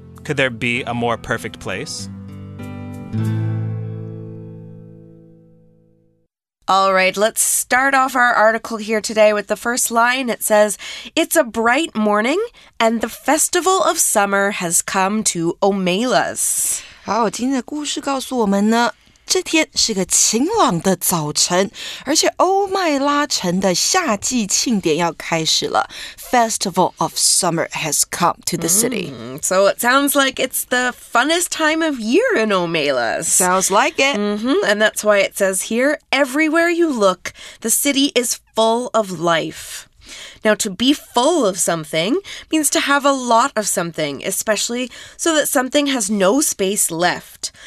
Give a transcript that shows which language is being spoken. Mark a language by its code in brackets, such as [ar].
[en] Could there be a more perfect place? All right, let's start off our article here today with the first line. It says, it's a bright morning and the festival of summer has come to Omelas. [zh] 好，今天的故事告诉我们呢，这天是个晴朗的早晨，而且欧麦拉城的夏季庆典要开始了。 [en] Festival of summer has come to the city. So it sounds like it's the funnest time of year in Omelas. Sounds like it. Mm-hmm. And that's why it says here, everywhere you look, the city is full of life. Now, to be full of something means to have a lot of something, especially so that something has no space left.